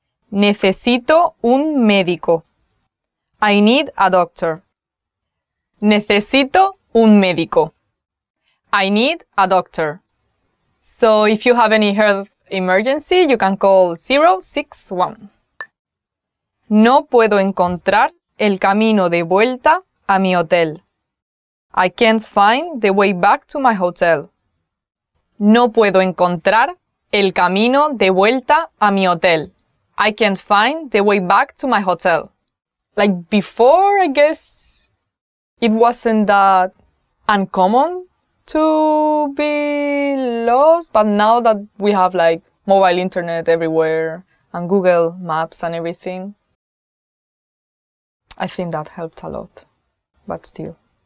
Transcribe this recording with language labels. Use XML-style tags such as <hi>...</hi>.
<es>Necesito un médico.</es> <en>I need a doctor.</en> <es>Necesito un médico.</es> <en>I need a doctor. So if you have any health emergency, you can call 061.</en> <es>No puedo encontrar el camino de vuelta a mi hotel.</es> <en>I can't find the way back to my hotel.</en> <es>No puedo encontrar el camino de vuelta a mi hotel.</es> <en>I can't find the way back to my hotel. Like before, I guess it wasn't that uncommon to be lost, but now that we have like mobile internet everywhere and Google Maps and everything, I think that helped a lot, but still.</en>